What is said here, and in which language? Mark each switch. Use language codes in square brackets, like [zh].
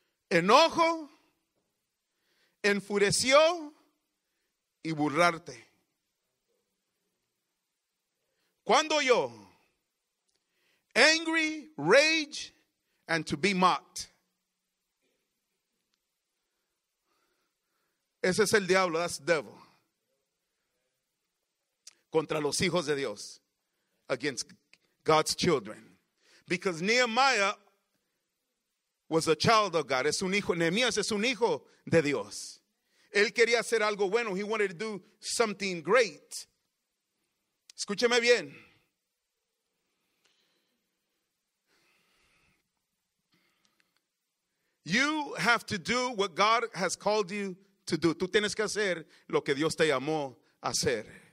[es] Enojo, enfureció, y burlarte. ¿Cuándo yo? [en] Angry, rage, and to be mocked. [es] Ese es el diablo, [en] that's the devil. [es] Contra los hijos de Dios. [en] Against God's children. Because Nehemiah was a child of God. [es] Es un hijo. Nehemías es un hijo de Dios. Él quería hacer algo bueno. [en] He wanted to do something great. [es] Escúcheme bien. [en] You have to do what God has called you to do. [es] Tú tienes que hacer lo que Dios te llamó a hacer.